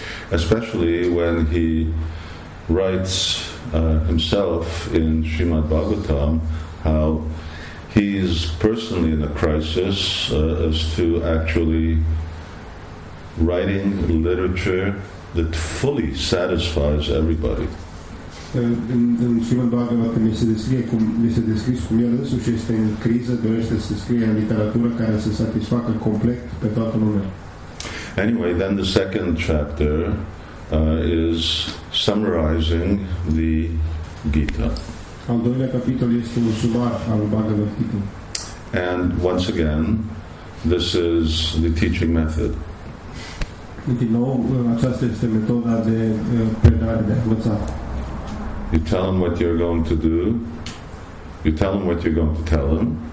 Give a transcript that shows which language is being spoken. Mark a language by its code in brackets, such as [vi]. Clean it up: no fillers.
[en] Especially when he writes himself in Srimad Bhagavatam how he is personally in a crisis as to actually writing literature that fully satisfies everybody. [ro] În Srimad Bhagavatam mi se descrie cum el însuși este în criză, dorește să scrie literatură care să satisfacă complet pe toată lumea. [en] Anyway, then the second chapter is summarizing the Gita. [ro] Al doilea capitol este un sumar al Bhagavad Gita. [en] And once again, this is the teaching method. [ro] Din nou, aceasta este metoda de predare, de învățare. [en] You tell him what you're going to do. You tell him what you're going to tell him.